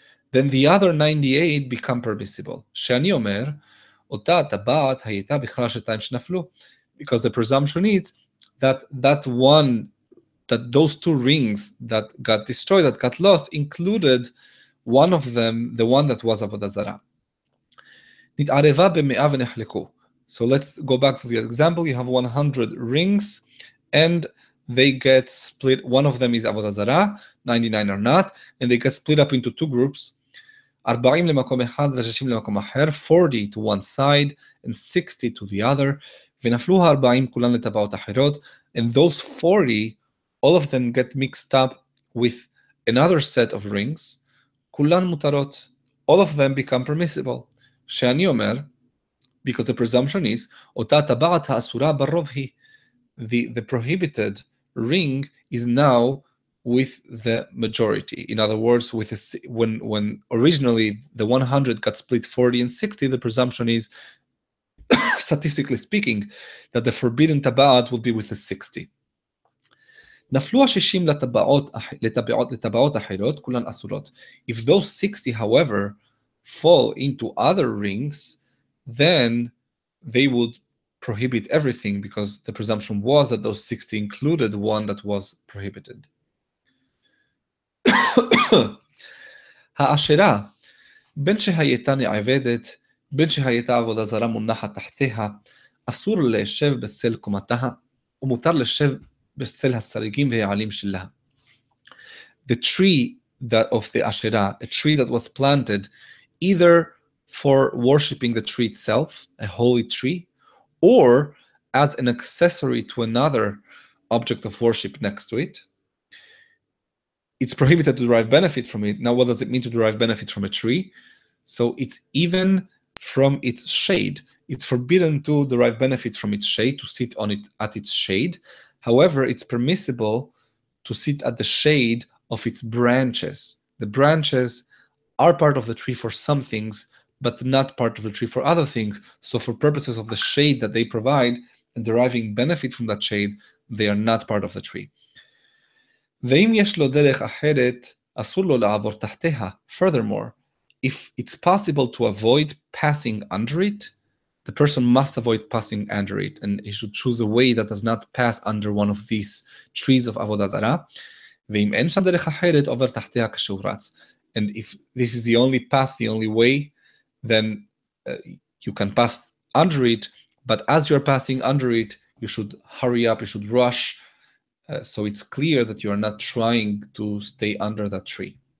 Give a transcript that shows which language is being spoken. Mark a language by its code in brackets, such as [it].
[en] Then the other 98 become permissible. [he] She'ani omer, ota tabat hayita b'chla she'taim she'naflu, [en] because the presumption is that those two rings that got destroyed, that got lost, included one of them, the one that was avodah zarah. [he] Nit'areva b'me'a v'nechleku. [en] So let's go back to the example. You have 100 rings and they get split. One of them is avodah zarah, 99 are not, and they get split up into two groups. [he] 40 למקום אחד ו-60 למקום אחר, [en] 40 to one side and 60 to the other. [he] ונפלו ה-40 כולן לטבעות אחרות. [en] And those 40, all of them get mixed up with another set of rings. [he] כולן מותרות, [en] all of them become permissible. [he] שאני אומר, [en] because the presumption is the prohibited ring is now with the majority. In other words, when originally the 100 got split 40 and 60, the presumption is, statistically speaking, that the forbidden tabaat will be with the 60. [he] נפלו השישים לטבעות אחרות, כולן אסורות. [en] If those 60, however, fall into other rings, then they would prohibit everything because the presumption was that those 60 included one that was prohibited. [he] העשירה, בין שהייתה נעבדת, בין שהייתה עבודה זרה מונחת תחתיה, אסור לשב בסל קומתה, ומותר לשב בסל הסריגים והעלים שלה. [en] The tree that of the asherah, a tree that was planted, either for worshipping the tree itself, a holy tree, or as an accessory to another object of worship next to it. It's prohibited to derive benefit from it. Now, what does it mean to derive benefit from a tree? So it's even from its shade. It's forbidden to derive benefit from its shade, to sit on it at its shade. However, it's permissible to sit at the shade of its branches. The branches are part of the tree for some things, but not part of the tree for other things. So for purposes of the shade that they provide and deriving benefit from that shade, they are not part of the tree. [he] ואם יש לו דרך אחרת, אסור לו לעבור תחתיה. [en] Furthermore, if it's possible to avoid passing under it, the person must avoid passing under it, and he should choose a way that does not pass under one of these trees of avodah zarah. [he] ואם אין שם דרך אחרת, עובר תחתיה כשהוא רץ. [en] And if this is the only path, the only way, then you can pass under it, but as you're passing under it, you should hurry up, you should rush, so it's clear that you are not trying to stay under that tree.